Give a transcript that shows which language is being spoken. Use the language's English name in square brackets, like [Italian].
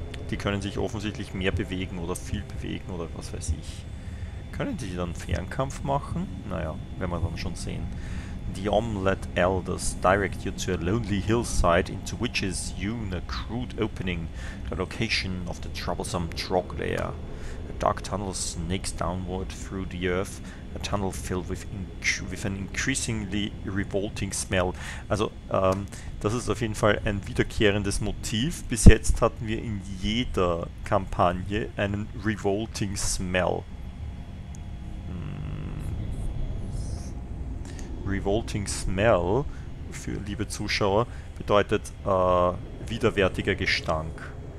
[German] Die können sich offensichtlich mehr bewegen oder viel bewegen oder was weiß ich. Können die dann Fernkampf machen? Naja, werden wir dann schon sehen. [English] The Omelette Elders direct you to a lonely hillside into which is hewn a crude opening, the location of the troublesome Trog Lair. A dark tunnel snakes downward through the earth, a tunnel filled with an increasingly revolting smell. [German] Also, das ist auf jeden Fall ein wiederkehrendes Motiv. Bis jetzt hatten wir in jeder Kampagne einen revolting smell. Revolting Smell, für liebe Zuschauer, bedeutet widerwärtiger Gestank.